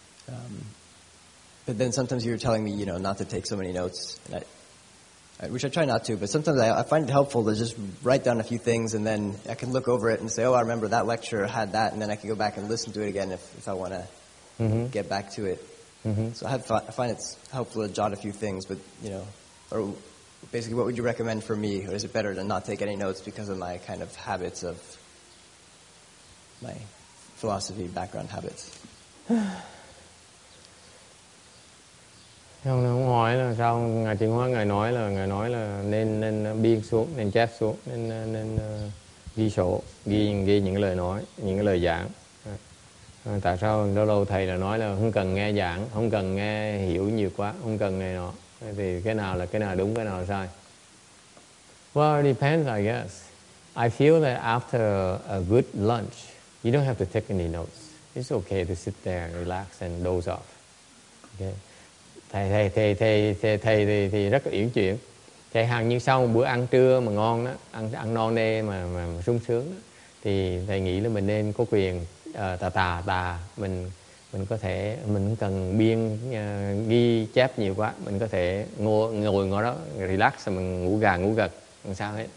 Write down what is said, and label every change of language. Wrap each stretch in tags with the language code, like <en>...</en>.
<en>But then sometimes you're telling me, you know, not to take so many notes, and I which I try not to, but sometimes I find it helpful to just write down a few things and then I can look over it and say, oh, I remember that lecture had that, and then I can go back and listen to it again if I want to get back to it. Mm-hmm. So I find it's helpful to jot a few things, but, you know, or basically what would you recommend for me? Or is it better to not take any notes because of my kind of habits of my philosophy background habits?</en> <vi>Không, ông hỏi là sao ngài Thiện Hóa ngài nói là nên biên xuống, nên chép xuống, nên ghi sổ, ghi những lời nói, những lời giảng. Tại sao lâu lâu thầy là nói là không cần nghe giảng, không cần nghe hiểu nhiều quá, không cần này nọ, thì cái nào là cái nào đúng, cái nào là sai?</vi> <en>Well, it depends, I guess. I feel that after a good lunch, you don't have to take any notes. It's okay to sit there and relax and doze off. Okay.</en> <vi>Thầy thì rất là uyển chuyển. Thầy hàng như sau một bữa ăn trưa mà ngon đó, ăn non nê mà sung sướng đó, thì thầy nghĩ là mình nên có quyền tà mình có thể, mình cần biên ghi chép nhiều quá, mình có thể ngồi đó relax, mình ngủ gà ngủ gật không sao hết.</vi>